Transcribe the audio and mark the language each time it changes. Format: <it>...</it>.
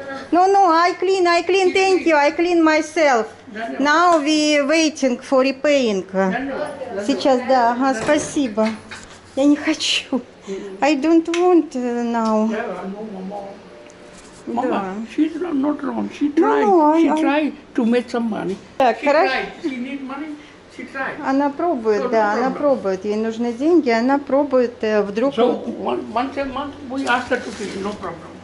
<en>No, I clean, thank you, I clean myself. Now we waiting for repaying.</en> <ru>Сейчас, да, ага, спасибо. Я не хочу.</ru> <en>I don't want now.</en> <ru>Мама, да.</ru> <en>She's not wrong. She tried. She tried to make some money.</en> <ru>Так,</ru> <en>she</en> <ru>хорошо.</ru> <en>Tried. She need money. She tried.</en> <ru>Она пробует, so, да, она пробует. Ей нужны деньги, она пробует вдруг.</ru> <en>So, once a month we ask her to fish, no problem.</en>